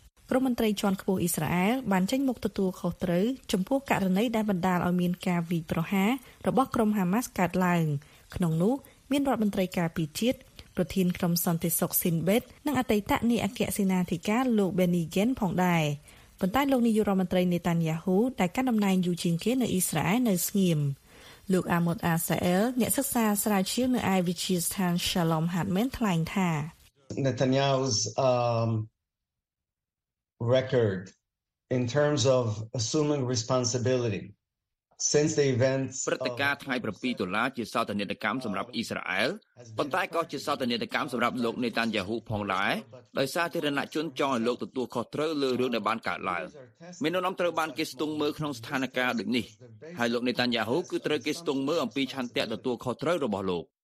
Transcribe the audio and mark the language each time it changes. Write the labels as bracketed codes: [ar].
[km] ក្រមមន្ត្រីជាន់ខ្ពស់អ៊ីស្រាអែលបានចេញមុខទទួលខុសត្រូវចំពោះករណីដែលបណ្ដាលឲ្យមានការវាយប្រហាររបស់ក្រុមហាម៉ាស់កើតឡើងក្នុងនោះមានរដ្ឋមន្ត្រីការពារជាតិប្រធានក្រុមសន្តិសុខស៊ីនបេតនិងអតីតនាយកអគ្គសេនាធិការលោក Benny Gantz ផងដែរប៉ុន្តែលោកនាយករដ្ឋមន្ត្រី Netanyahu ដែលកាន់តំណែងយូរជាងគេនៅអ៊ីស្រាអែលនៅស្ងៀមលោក Amos Asael អ្នកសិក្សាស្រាវជ្រាវនៅឯវិទ្យាស្ថាន Shalom Hartman ថ្លែងថា [en] Netanyahu'srecord in terms of assuming responsibility since the events [km] ព្រឹត្តិការណ៍ថ្ងៃ7តុល្លារជាសោតនាដកម្មសម្រាប់អ៊ីស្រាអែលប៉ុន្តែក៏ជាសោតនាដកម្មសម្រាប់លោក Netanyahu ផងដែរដោយសាធារណជនចង់ឲ្យលោកទទួលខុសត្រូវលើរឿងដែលបានកើតឡើងមាននរណាត្រូវបានគេស្ទង់មើលក្នុងស្ថានភាពដូចនេះហើយលោក Netanyahu គឺត្រូវគេស្ទង់មើលអំពីឆន្ទៈទទួលខុសត្រូវរបស់លោក